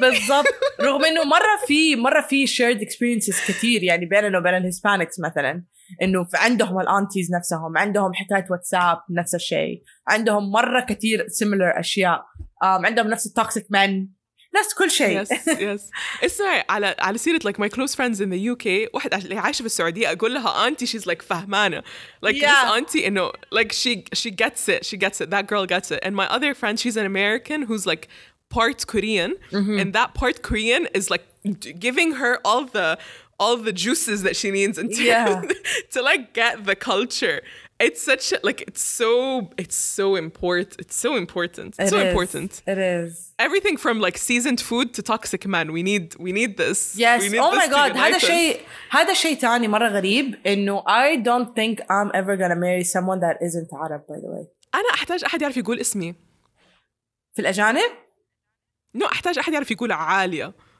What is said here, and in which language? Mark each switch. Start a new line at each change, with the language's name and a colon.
Arabic: بالضبط، رغم إنه مرة في
English: shared experiences
Arabic: كتير يعني بيننا وبين الهسبانكس مثلاً، إنه عندهم الأنتيز نفسهم، عندهم حكايات واتساب نفس الشيء، عندهم مرة كتير similar أشياء، عندهم نفس
English: toxic men،
Arabic: نفس كل شيء.
English: yes.
Arabic: اسمعي على سيرة
English: like my close friends in the UK،
Arabic: واحد اللي عايش في السعودية أقول لها
English: auntie she's like فهمانة like yeah. this auntie إنه like she gets it that girl gets it. And my other friend she's an American who's like part Korean and that part Korean is like giving her all the juices that she needs to like get the culture. It's so important. Everything from like seasoned food to toxic men. We need this. Yes. We need this. Oh my God.
Arabic: هذا شيء تاني مرة غريب.
English: إنه I don't think I'm ever gonna marry someone that isn't Arab. By the way.
Arabic: أنا أحتاج أحد يعرف يقول اسمي. في الأجانب.
English: No.
Arabic: أحتاج أحد يعرف يقول عالية.